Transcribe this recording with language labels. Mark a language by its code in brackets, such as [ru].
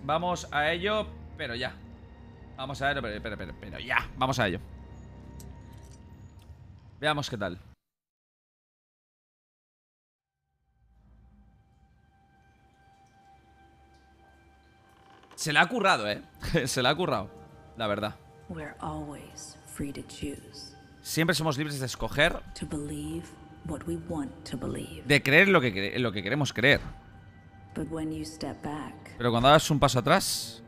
[es] Vamos a ello, pero ya. Vamos a ello, pero ya. Vamos a ello. Veamos qué tal. Se la ha currado, Se la ha currado, la verdad. [en] We're always free to choose. [es] Siempre somos libres de escoger. To believe what we want to believe. De creer lo que queremos creer. [en] But when you step back, [es] pero cuando das un paso atrás.